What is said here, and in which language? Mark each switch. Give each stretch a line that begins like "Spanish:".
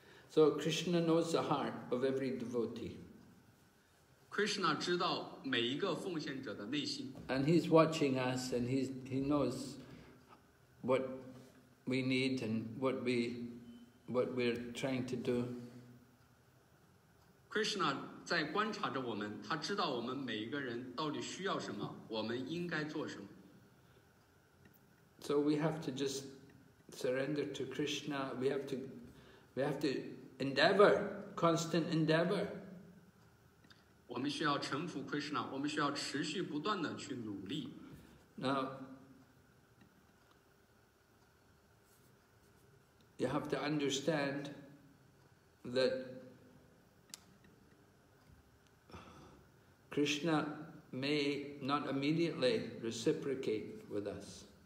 English: So Krishna knows the heart of every devotee.
Chinese: Krishna 知道每一个奉献者的内心.
English: And he's watching us, and he knows what we need and what we're trying to do.
Chinese: Krishna 在观察着我们，他知道我们每一个人到底需要什么，我们应该做什么。
English: So we have to just surrender to Krishna. We have to endeavor, constant endeavor.
Chinese: 我们需要臣服 Krishna. 我们需要持续不断的去努力。
English: Now, you have to understand that Krishna may not immediately reciprocate with us.